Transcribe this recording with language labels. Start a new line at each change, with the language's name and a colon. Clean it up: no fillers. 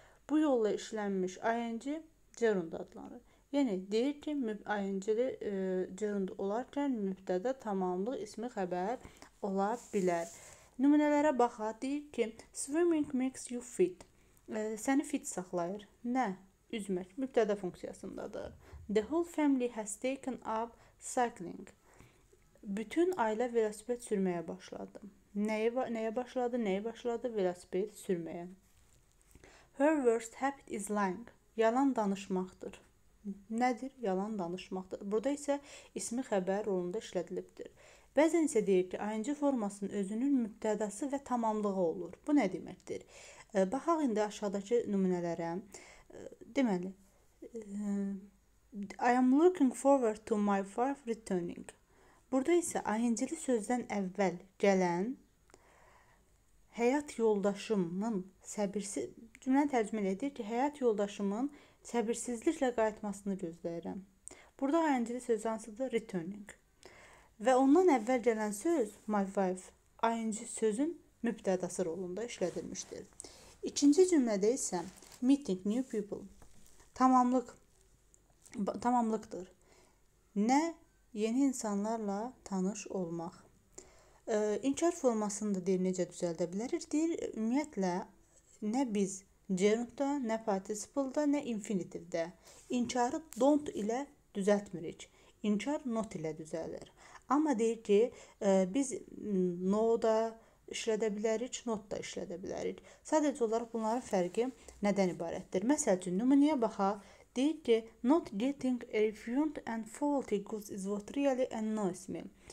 Azerbaijani: Bu yolla işlənmiş ING gerund adlanır. Yəni, deyir ki, ayıncılı cırındı olarkən mübtədə tamamlıq ismi xəbər ola bilər. Nümunələrə baxa, deyir ki,
English: swimming makes you fit.
Azerbaijani: Səni fit saxlayır. Nə? Üzmək. Mübtədə funksiyasındadır.
English: The whole family has taken up cycling.
Azerbaijani: Bütün ailə velosiped sürməyə başladı. Nəyə başladı? Velosiped sürməyə.
English: Her worst habit is lying.
Azerbaijani: Yalan danışmaqdır. Nədir? Yalan danışmaqdır. Burada isə ismi xəbər rolunda işlədilibdir. Bəzən isə deyir ki, ING formasının özünün mübtədası və tamamlığı olur. Bu nə deməkdir? Baxaq indi aşağıdakı nümunələrə.
English: Deməli, I am looking forward to my wife returning.
Azerbaijani: Burada isə ING-li sözdən əvvəl gələn həyat yoldaşımın səbirsiz... Cümləni tərcümə edir ki, həyat yoldaşımın səbirsizliklə qayıtmasını gözləyirəm. Burada ayıncılı söz hansıdır?
English: Returning.
Azerbaijani: Və ondan əvvəl gələn söz,
English: my wife,
Azerbaijani: ayıncı sözün mübtədası rolunda işlədilmişdir. İkinci cümlədə isə
English: meeting, new people,
Azerbaijani: tamamlıqdır. Nə? Yeni insanlarla tanış olmaq. İnkar formasını da deyir, necə düzəldə bilərik? Deyir, ümumiyyətlə, nə biz? Gerund'da, nə participle'da, nə infinitive'də. İnkarı don't ilə düzəltmirik. İnkar not ilə düzəlir. Amma deyir ki, biz no'da işlədə bilərik, not'da işlədə bilərik. Sadəcə olaraq bunların fərqi nədən ibarətdir? Məsəl üçün, nümunəyə baxaq. Deyir ki,
English: not getting a refund and faulty goods is what really annoys me.